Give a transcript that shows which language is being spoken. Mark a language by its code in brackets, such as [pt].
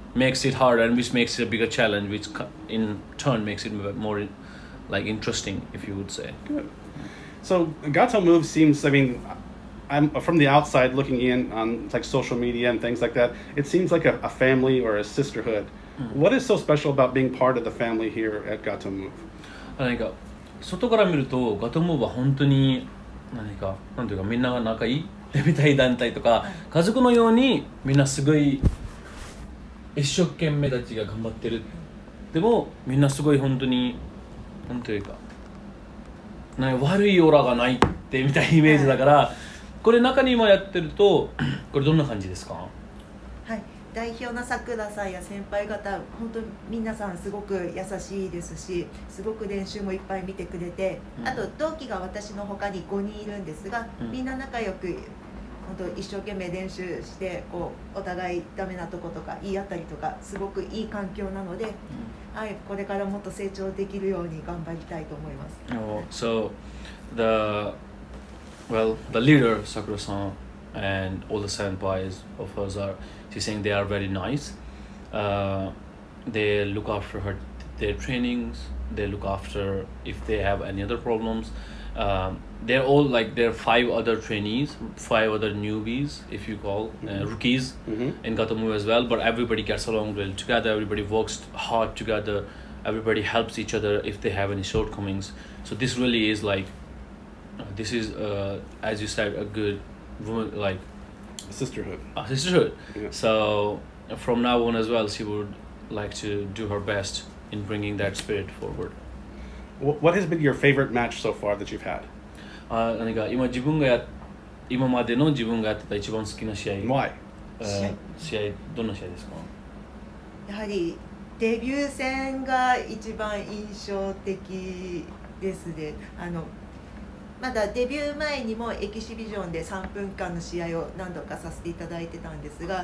[en] Makes it hard and which makes it a bigger challenge, which in turn makes it more like interesting, if you would say. Good. So Gato Move seems, I mean, I'm from the outside looking in on like social media and things like that, it seems like a family or a sisterhood. Mm. What is so special about being part of the family here at Gato Move? I think, [ja] 外から見ると Gato Move は本当に何か、なんていうか、みんなが仲いい、デビたい団体とか、家族のようにみんなすごい一生懸命たちが頑張ってる。でもみんなすごい本当に何というか、なんか悪いオーラがないってみたいなイメージだから、はい、これ中に今やってるとこれどんな感じですか？はい、代表のさくらさんや先輩方本当に皆さんすごく優しいですし、すごく練習もいっぱい見てくれて、うん、あと同期が私の他に5人いるんですが、うん、みんな仲良く本当一生懸命練習してこうお互いダメなとことか言い合ったりとかすごくいい環境なので、うん、はい、これからもっと成長できるように頑張りたいと思います。 [en] Oh, so the well the leader Sakura-san and all the senpais of hers are she's saying they are very nice. They look after her their trainings. They look after if they have any other problems. They're all like there are five other trainees, five other newbies, if you call rookies mm-hmm. in Gato Move as well. But everybody gets along well together. Everybody works hard together. Everybody helps each other if they have any shortcomings. So this really is like, this is as you said, a good woman like a sisterhood. Yeah. So from now on as well, she would like to do her best in bringing that spirit forward. What has been your favorite match so far that you've had? [ja] 何か今までの自分がやってた一番好きな試合、 [en] Why? [ja] 試合どんな試合ですか？やはりデビュー戦が一番印象的ですね。あのまだデビュー前にもエキシビジョンで3分間の試合を何度かさせていただいてたんですが、